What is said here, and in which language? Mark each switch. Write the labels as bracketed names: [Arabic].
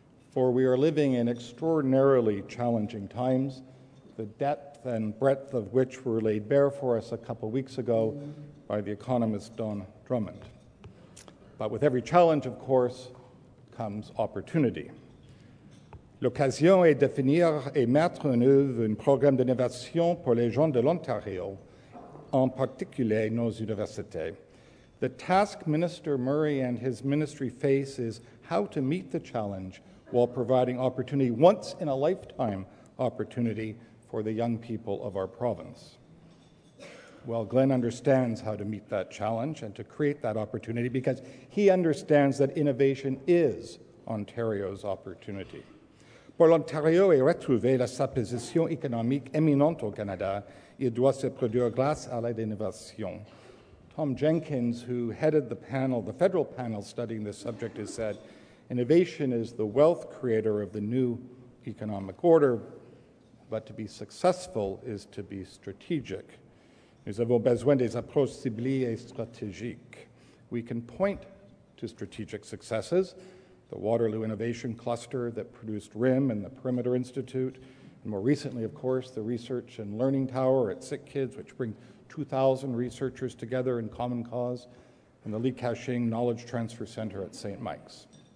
[English] For we are living in extraordinarily challenging times, the depth and breadth of which were laid bare for us a couple weeks ago by the economist Don Drummond. But with every challenge, of course, comes opportunity. [French] L'occasion est de finir et mettre en œuvre un programme d'innovation pour les gens de l'Ontario, en particulier nos universités. [English] The task Minister Murray and his ministry face is how to meet the challenge while providing opportunity, once in a lifetime opportunity, for the young people of our province. Well, Glenn understands how to meet that challenge and to create that opportunity because he understands that innovation is Ontario's opportunity. [French] Pour l'Ontario et retrouver sa position économique éminente au Canada, il doit se produire grâce à l'innovation. [English] Tom Jenkins, who headed the panel, the federal panel studying this subject, has said, innovation is the wealth creator of the new economic order, but to be successful is to be strategic. [French] Nous avons besoin des approches ciblées et stratégiques. [English] We can point to strategic successes, the Waterloo Innovation Cluster that produced RIM and the Perimeter Institute, and more recently, of course, the Research and Learning Tower at SickKids, which brings 2,000 researchers together in common cause, and the Li Ka-shing Knowledge Transfer Center at St. Mike's.